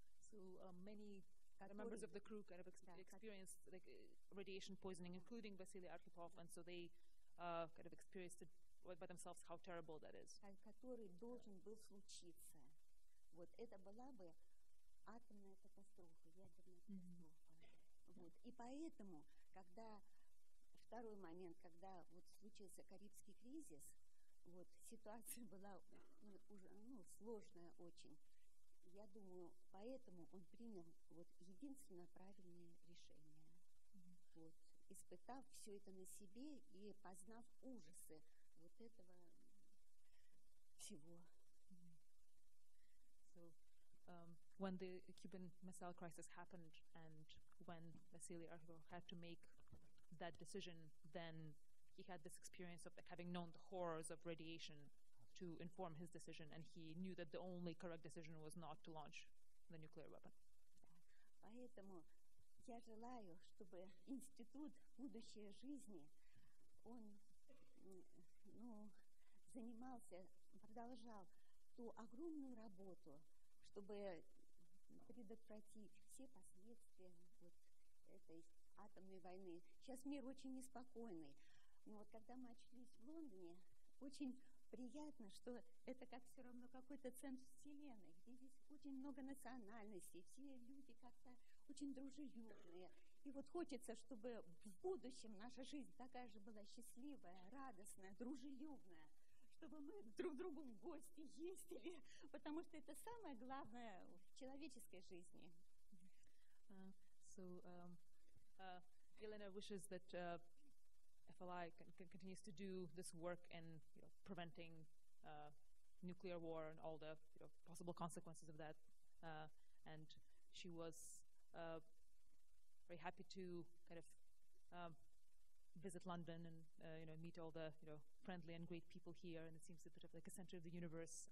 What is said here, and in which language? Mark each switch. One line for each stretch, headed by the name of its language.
English: So many members of the crew kind of experienced like radiation poisoning, including Василий Архипов, and so they kind of experienced it by themselves, how terrible that is.
Russian: Который должен был случиться. Вот это была бы атомная катастрофа, ядерная катастрофа. Вот. И поэтому, когда второй момент, когда вот случился Карибский кризис, вот ситуация была уже, ну, сложная очень. Я думаю, поэтому он принял вот единственно правильное решение. Вот, испытав все это на себе и познав ужасы вот этого всего.
English: When the Cuban Missile Crisis happened and when Vasily Arkhipov had to make that decision, then he had this experience of like having known the horrors of radiation to inform his decision, and he knew that the only correct decision was not to launch the nuclear weapon.
Russian: Поэтому я желаю, чтобы институт будущей жизни, он, ну, занимался, продолжал ту огромную работу, чтобы предотвратить все последствия вот этой атомной войны. Сейчас мир очень неспокойный. Но вот когда мы очутились в Лондоне, очень приятно, что это как все равно какой-то центр Вселенной, где здесь очень много национальностей, все люди как-то очень дружелюбные. И вот хочется, чтобы в будущем наша жизнь такая же была счастливая, радостная, дружелюбная, чтобы мы друг другу в гости ездили, потому что это самое главное в человеческой жизни.
English: Елена wishes that FLI continues to do this work in, you know, preventing nuclear war and all the, you know, possible consequences of that. And she was very happy to kind of visit London and you know, meet all the, you know, friendly and great people here, and it seems a bit of like a center of the universe.